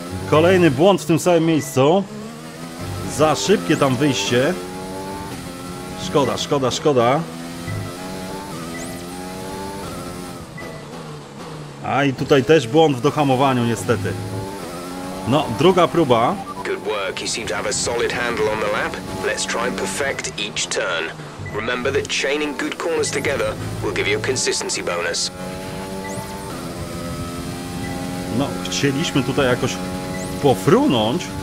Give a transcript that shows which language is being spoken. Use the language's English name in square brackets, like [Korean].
[Polish] Kolejny błąd w tym samym miejscu. Za szybkie tam wyjście. Szkoda. Aj, tutaj też błąd w dohamowaniu niestety. No, druga próba. [English] Good work. You seem to have a solid handle on the lap. Let's try and perfect each turn. Remember that chaining good corners together will give you a consistency bonus. [Polish] No, chcieliśmy tutaj jakoś pofrunąć.